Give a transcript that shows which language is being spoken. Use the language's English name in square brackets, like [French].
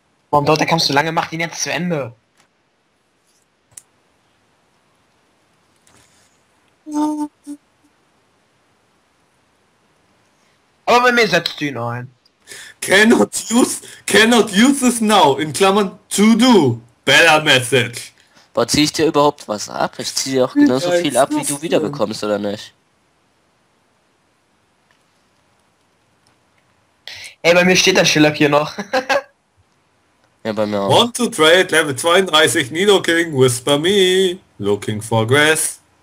[German] Warum dort, da kommst du lange, mach ihn jetzt zu Ende. Aber bei mir setzt du ihn ein. [English] Cannot use this now, [German] in Klammern, [English] to do. Better message. [German] Boah, zieh ich dir überhaupt was ab? Ich zieh dir auch genauso viel ab, wie du wiederbekommst, oder nicht? Ey, bei mir steht der Schillack hier noch. Ja, bei mir auch. [English] Want to trade Level 32 Nidoking, whisper me, looking for grass.